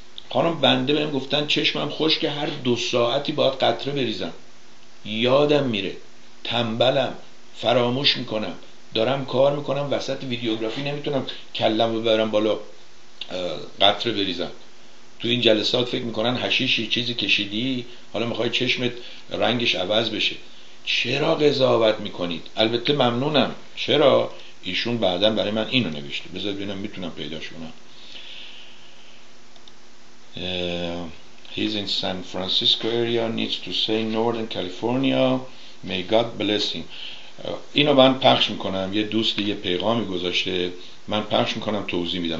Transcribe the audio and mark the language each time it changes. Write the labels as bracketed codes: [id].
[fa] خانم بنده بهم گفتن چشمم خشکه، هر دو ساعتی باید قطره بریزم، یادم میره، تنبلم، فراموش میکنم، دارم کار میکنم وسط ویدیوگرافی نمیتونم کلم رو ببرم بالا قطره بریزم. تو این جلسات فکر میکنن حشیشی چیزی کشیدی، حالا میخوای چشمت رنگش عوض بشه. چرا قضاوت میکنید؟ البته ممنونم. چرا؟ ایشون بعدن برای من اینو نوشته، بذار ببینم میتونم پیداش کنم. [en] He's in San Francisco area, needs to say Northern California, may God bless him. [fa] اینو من پخش میکنم، یه دوستی یه پیغامی گذاشته، من پخش میکنم توضیح میدم.